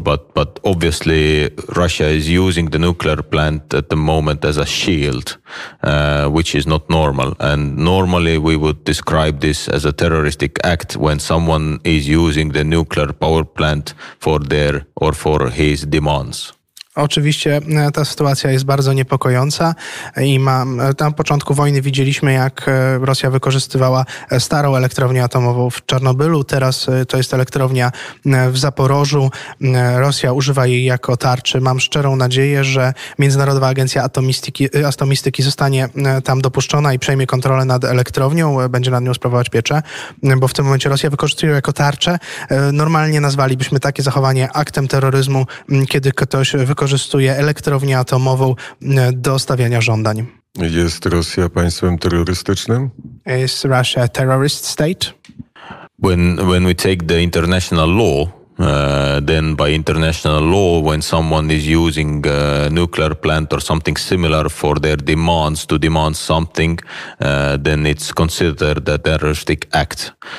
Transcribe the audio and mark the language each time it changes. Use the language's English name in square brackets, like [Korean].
[English] But obviously Russia is using the nuclear plant at the moment as a shield, which is not normal. And normally we would describe this as a terroristic act when someone is using the nuclear power plant for their or for his demands. [Polish] Oczywiście ta sytuacja jest bardzo niepokojąca i na początku wojny widzieliśmy, jak Rosja wykorzystywała starą elektrownię atomową w Czarnobylu. Teraz to jest elektrownia w Zaporożu. Rosja używa jej jako tarczy. Mam szczerą nadzieję, że Międzynarodowa Agencja Atomistyki zostanie tam dopuszczona i przejmie kontrolę nad elektrownią, będzie nad nią sprawować pieczę, bo w tym momencie Rosja wykorzystuje ją jako tarczę. Normalnie nazwalibyśmy takie zachowanie aktem terroryzmu, kiedy ktoś wykorzystuje elektrownię atomową do stawiania żądań. Jest Rosja państwem terrorystycznym? [English] Is Russia a terrorist state? When we take the international law, then by international law, when someone is using a nuclear plant or something similar for their demands to demand something, then it's considered a terroristic act.